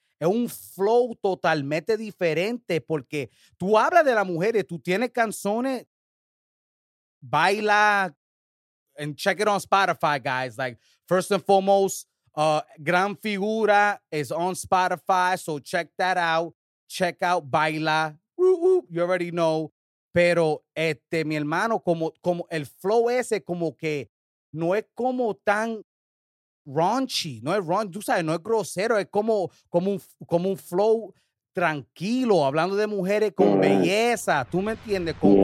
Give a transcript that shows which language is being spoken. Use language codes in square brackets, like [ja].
[es] Es un flow totalmente diferente porque tú hablas de las mujeres, tú tienes canciones, baila. [en] And check it on Spotify, guys. Like, first and foremost, Gran Figura is on Spotify. So check that out. Check out Baila. Woo-woo, you already know. [es] Pero, mi hermano, como el flow ese, como que no es como tan raunchy. No es raunchy. Tú sabes, no es grosero. Es como un flow tranquilo, hablando de mujeres con belleza. ¿Tú me entiendes?